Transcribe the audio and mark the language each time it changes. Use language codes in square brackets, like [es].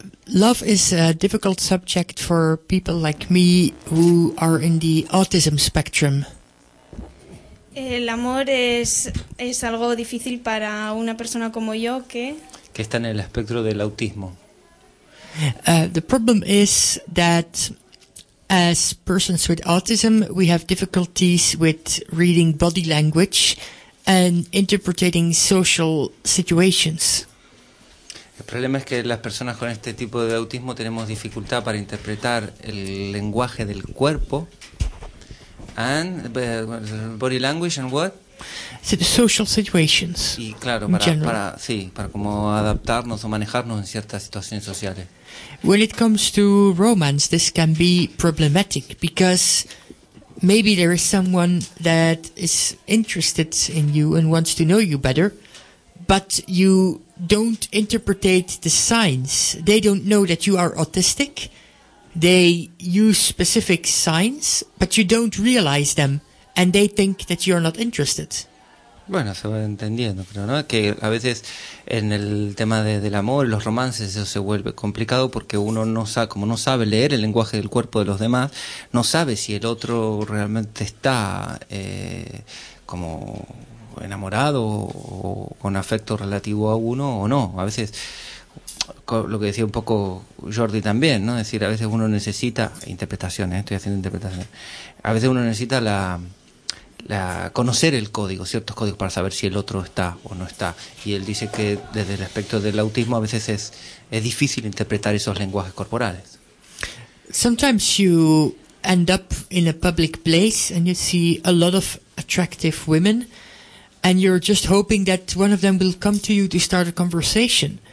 [en] Love is a difficult subject for people like me who are in the autism spectrum. [es] El amor es algo difícil para una persona como yo que está en el espectro del autismo. [en] The problem is that as persons with autism, we have difficulties with reading body language and interpreting social situations. [es] El problema es que las personas con este tipo de autismo tenemos dificultad para interpretar el lenguaje del cuerpo. [en] And body language and what? Social situations. [es] Y claro, para como adaptarnos o manejarnos en ciertas situaciones sociales. [en] When it comes to romance, this can be problematic because maybe there is someone that is interested in you and wants to know you better, but you don't interpretate the signs. They don't know that you are autistic. They use specific signs, but you don't realize them, and they think that you're not interested. [es] Bueno, se va entendiendo, pero no, que a veces en el tema del amor, los romances, eso se vuelve complicado porque uno no sabe leer el lenguaje del cuerpo de los demás, no sabe si el otro realmente está como enamorado o con afecto relativo a uno o no. A veces, lo que decía un poco Jordi también, ¿no? Es decir, a veces uno necesita interpretaciones, estoy haciendo interpretaciones. A veces uno necesita la conocer el código, ciertos códigos, para saber si el otro está o no está. Y él dice que desde el aspecto del autismo a veces es difícil interpretar esos lenguajes corporales. [en] Sometimes you end up in a public place and you see a lot of attractive women, and you're just hoping that one of them will come to you to start a conversation.